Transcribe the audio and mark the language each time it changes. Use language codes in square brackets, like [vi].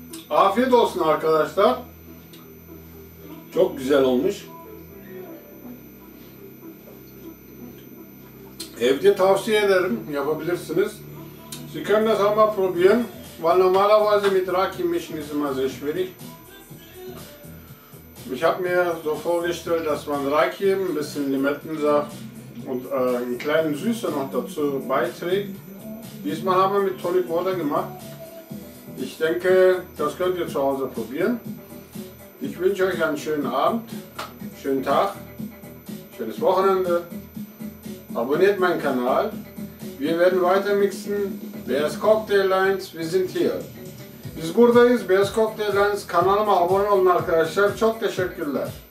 [tr] Afiyet olsun arkadaşlar. Çok güzel olmuş. Evde tavsiye ederim, yapabilirsiniz. [de] Sie können das einmal probieren. Weil normalerweise mit Rocky mischen ist immer sehr schwierig. Ich habe mir so vorgestellt, dass man Rocky ein bisschen Limettensaft und einen kleinen Süßer noch dazu beiträgt. Diesmal haben wir mit Tonic Water gemacht. Ich denke, das könnt ihr zu Hause probieren. Ich wünsche euch einen schönen Abend, schönen Tag, schönes Wochenende. Abonniert meinen Kanal. Wir werden weiter mixen. Bears Cocktail Lines, wir sind hier. [tr] Biz buradayız. Bears Cocktail Lines kanalıma abone olun arkadaşlar. Çok teşekkürler.